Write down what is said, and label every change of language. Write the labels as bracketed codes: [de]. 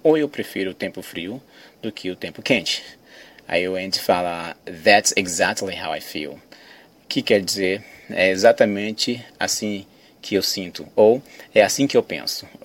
[pt] Ou eu prefiro o tempo frio do que o tempo quente. Aí o Andy fala, [en] that's exactly how I feel. [pt] Que quer dizer, é exatamente assim que eu sinto, ou é assim que eu penso.